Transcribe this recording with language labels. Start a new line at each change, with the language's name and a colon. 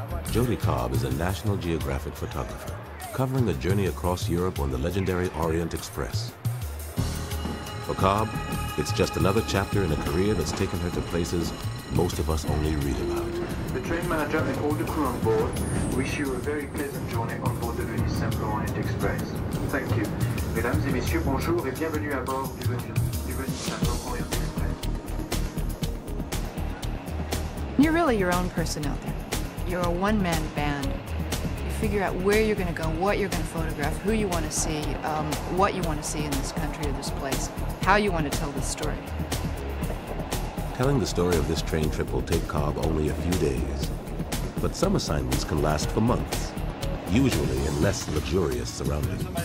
English: Jody Cobb is a National Geographic photographer covering a journey across Europe on the legendary Orient Express. For Cobb, it's just another chapter in a career that's taken her to places most of us only read about. The train manager and all the crew on board wish you a very pleasant journey on board the Venise-Saint-Laurent Express. Thank you.
French: Mesdames et messieurs, bonjour et bienvenue à bord du Venise-Saint-Laurent Express.
English: You're really your own person out there. You're a one-man band. You figure out where you're going to go, what you're going to photograph, who you want to see, what you want to see in this country or this place, how you want to tell this story. Telling the story of this train trip will take Cobb only a few days. But some assignments can last for months, usually in less luxurious surroundings.